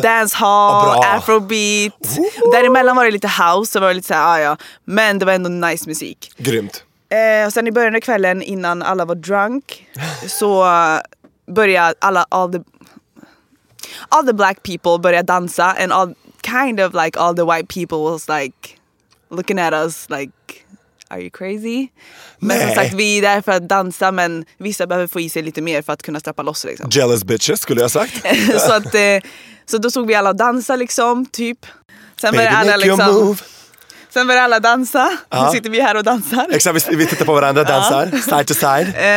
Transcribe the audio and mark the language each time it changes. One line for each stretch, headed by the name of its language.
Swedish: Dancehall, afrobeat. Däremellan var det lite house. Så var det lite såhär, ja. Men det var ändå nice musik. Grymt. Och sen i början av kvällen, innan alla var drunk, så började
English: all the black people
Swedish: började dansa.
English: And all kind of like all the white people was like looking at us like, are you crazy?
Swedish: Men nej. Som sagt, vi är där för att dansa, men vissa behöver få i sig lite mer för att kunna strappa loss liksom.
English: Jealous bitches
Swedish: skulle jag ha sagt. Så att så då såg vi alla dansa liksom, typ. Sen började alla liksom, move. Sen började alla dansa. Ja. Nu sitter vi här och dansar. Exakt, vi tittar på varandra, dansar. Ja.
English: Side to side.